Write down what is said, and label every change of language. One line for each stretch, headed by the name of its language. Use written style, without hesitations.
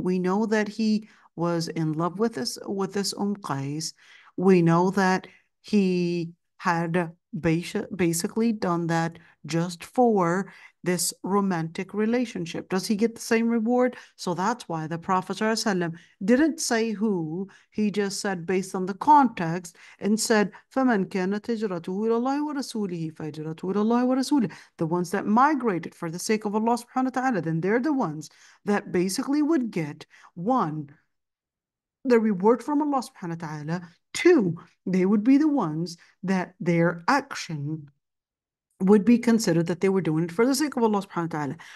English: We know that he was in love with this Qais. We know that he had basically done that just for this romantic relationship. Does he get the same reward? So that's why the Prophet ﷺ didn't say who. He just said based on the context and said,
Arabic: فَمَنْ كَانَتْ هِجْرَتُهُ إِلَى اللَّهِ وَرَسُولِهِ فَهِجْرَتُهُ إِلَى اللَّهِ وَرَسُولِهِ.
English: The ones that migrated for the sake of Allah subhanahu wa ta'ala, then they're the ones that basically would get, one, the reward from Allah subhanahu wa ta'ala. Two, they would be the ones that their action would be considered that they were doing it for the sake of Allah subhanahu wa ta'ala.